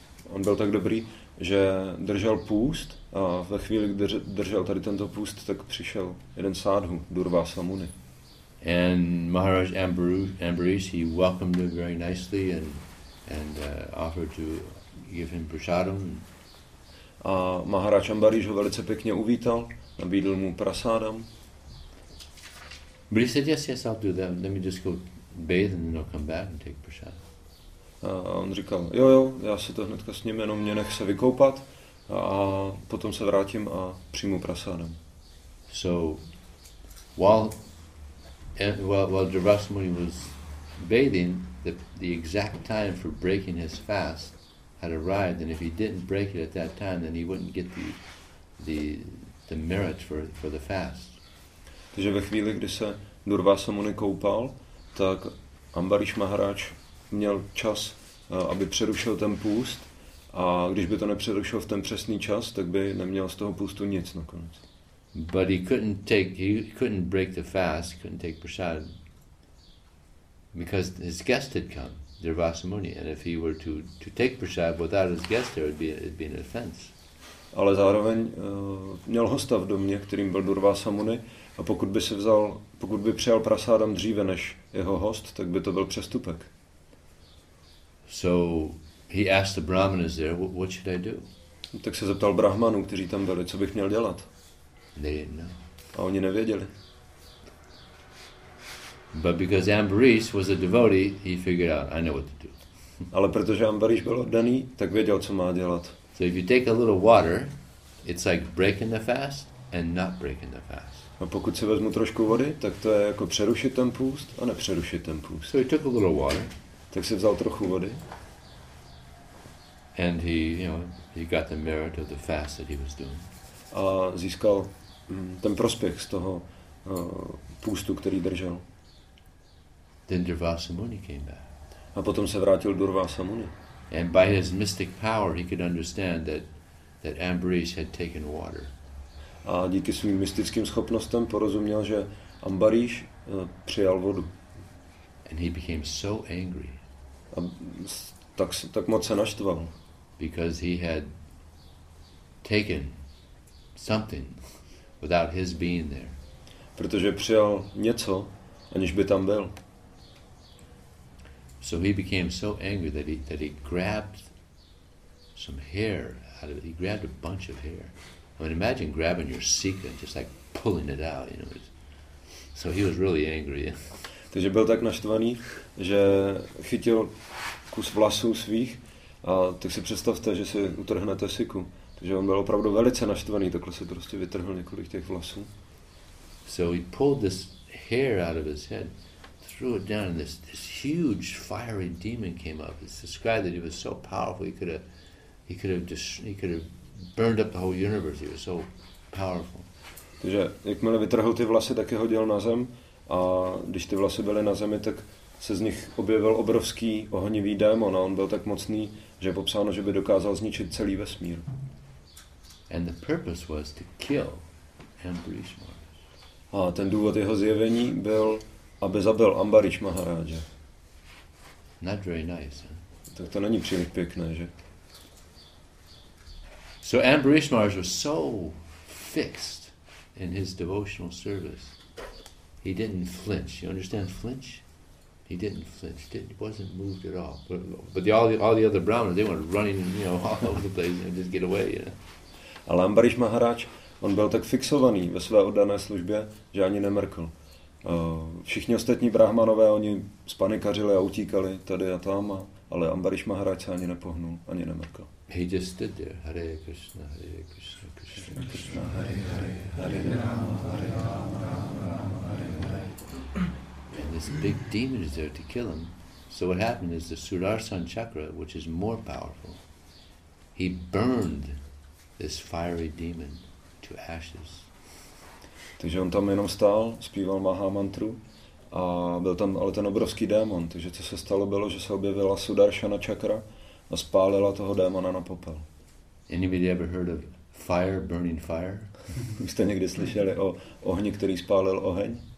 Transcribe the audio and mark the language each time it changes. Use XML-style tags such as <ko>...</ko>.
<cs>On byl tak dobrý, že držel půst, a ve chvíli, kdy držel tady tento půst, tak přišel jeden sádhu, Durvasa Muni.</cs> <en>And Maharaj Ambarish, he welcomed him very nicely and offered to give him prasadam.</en> <cs>A Maharaj Ambarish ho velice pěkně uvítal, nabídl mu prasadam.</cs> <en>But he said, yes, I'll do that. Let me just go bathe and then I'll come back and take prasadam.</en> <cs>A on říkal, jo, já se to hnedka s ním, jenom mě nech se vykoupat a potom se vrátím a přijmu prasádem.</cs> <en>So while Durvasa Muni was bathing, the exact time for breaking his fast had arrived, and if he didn't break it at that time, then he wouldn't get the merit for the fast.</en> <cs>Takže ve chvíli, kdy se Durvasa Muni koupal, tak Ambarish Maharaj měl čas, aby přerušil ten půst, a když by to nepřerušil v ten přesný čas, tak by neměl z toho půstu nic nakonec.</cs> <en>But he couldn't break the fast, couldn't take prasad, because his guest had come, Durvasa Muni, and if he were to take prasad without his guest, there would be an offense.</en> <cs>Ale zároveň měl hosta v domě, kterým byl Durvasa Muni, a pokud by přijal prasádam dříve než jeho host, tak by to byl přestupek.</cs> <en>So he asked the brahmanas there, what should I do?</en> <cs>Tak se zeptal brahmanů, kteří tam byli, co bych měl dělat.</cs> <en>They didn't know.</en> <cs>A oni nevěděli.</cs> <en>But because Ambarish was a devotee, he figured out, I know what to do.</en> <cs>Ale protože Ambarish byl oddaný, tak věděl, co má dělat.</cs> <en>So if you take a little water, it's like breaking the fast and not breaking the fast.</en> <cs>A pokud si vezmu trošku vody, tak to je jako přerušit ten půst a nepřerušit ten půst.</cs> <en>So he took a little water.</en> <cs>Tak si vzal trochu vody.</cs> <en>And he got the merit of the fast that he was doing.</en> <cs>A získal ten prospěch z toho půstu, který držel.</cs> <en>Then Durvasa Muni came back.</en> <cs>A potom se vrátil Durvasa Muni.</cs> <en>And by his mystic power, he could understand that Ambarish had taken water.</en> <cs>A díky svým mystickým schopnostem porozuměl, že Ambarish přijal vodu.</cs> <en>And he became so angry.</en> <cs>A tak moc se naštval.</cs> <en>Because he had taken something without his being there.</en> <cs>Protože přijal něco, aniž by tam byl.</cs> <en>So he became so angry that he grabbed some hair out of it. He grabbed a bunch of hair. I mean, imagine grabbing your sika and just like pulling it out, you know. So he was really angry.</en> <cs>Takže byl tak naštvaný, že chytil kus vlasů svých. A tak si představte, že si utrhnete siku. Takže on byl opravdu velice naštvaný, takhle si prostě vytrhl několik těch vlasů.</cs> <en>So he pulled this hair out of his head, threw it down, and this huge fiery demon came up. It's described that he was so powerful he could have burned up the whole universe. He was so powerful.</en> <cs>Takže jakmile vytrhl ty vlasy, tak je hodil na zem, a když ty vlasy byly na zemi, tak se z nich objevil obrovský ohnivý démon, a on byl tak mocný, že je popsáno, že by dokázal zničit celý vesmír.</cs> <en>And the purpose was to kill Ambarish Maharaj.</en> <cs>A ten důvod jeho zjevení byl, aby zabil Ambarish Maharaja.</cs> <en>Not very nice, huh?</en> <cs>Tak to není příliš pěkné, že?</cs> <en>So Ambarish Maharaj was so fixed in his devotional service. He didn't flinch. You understand flinch? He didn't flinch. He wasn't moved at all. But all the other brahmanas, they went running, you know, all over the place and just get away, you know.</en> <cs>Ale Ambarish Maharaj, on byl tak fixovaný ve své oddané službě, že ani nemrkl. Všichni ostatní brahmanové, oni spanikařili a utíkali tady a tam, ale Ambarish Maharaj se ani nepohnul, ani nemrkl.</cs> <en>He just stood there. Hare Krishna, Hare Krishna, Krishna Krishna, Hare Hare, Hare Rama, Hare Rama, Rama Rama, Hare Hare. And this big demon is there to kill him. So what happened is the Sudarshan Chakra, which is more powerful, he burned this fiery demon to ashes.</en> <cs>Takže on tam jenom stál, zpíval Maha mantru a byl tam ale ten obrovský démon. Takže co se stalo bylo, že se objevila Sudarshana Chakra a spálila toho démona na popel.</cs> <en>Anybody ever heard of fire burning fire?</en> <cs>Už jste někdy slyšeli o ohni, který spálil oheň?</cs>